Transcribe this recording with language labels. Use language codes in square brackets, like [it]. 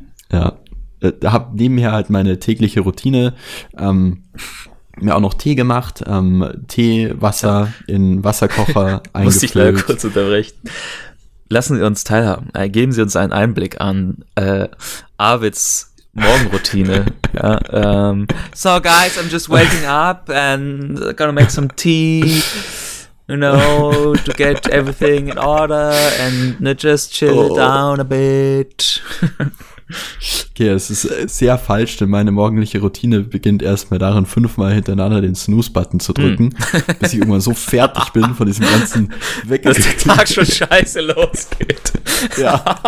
[de] Ja, da habe nebenher halt meine tägliche Routine, mir auch noch Tee gemacht, Tee, Wasser in Wasserkocher eingefüllt. Muss ich leider kurz unterbrechen. Lassen Sie uns teilhaben. Geben Sie uns einen Einblick an Arvids Morgenroutine. [en] Ja, so guys, I'm just waking up and gonna make some tea, you know, to get everything in order and just chill down a bit. [de] Okay, es ist sehr falsch, denn meine morgendliche Routine beginnt erstmal darin, fünfmal hintereinander den Snooze-Button zu drücken, bis ich irgendwann so fertig bin von diesem ganzen Wecker. Dass der Tag schon scheiße losgeht. Ja.